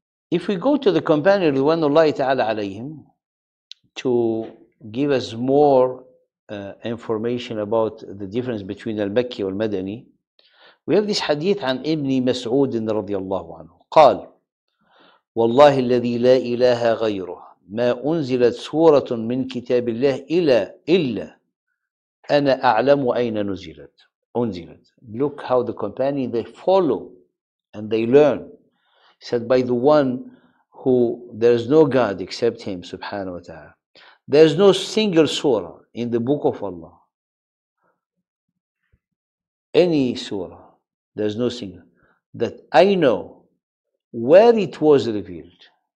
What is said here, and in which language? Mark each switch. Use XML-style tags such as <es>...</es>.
<en>If we go to the companions, when Allah Ta'ala alayhim, to give us more information about the difference between Al-Makki and Al-Madani, we have this hadith عن Ibn Mas'ud رضي الله عنه.</en> <ar>قال والله الذي لا إله غيره ما أنزلت سورة من كتاب الله إلا أنا أعلم أين نزلت. أنزلت.</ar> <en>Look how the companions, they follow and they learn. He said, by the one who there is no God except him, subhanahu wa ta'ala. There is no single surah in the book of Allah. Any surah, there is no single. That I know where it was revealed.</en>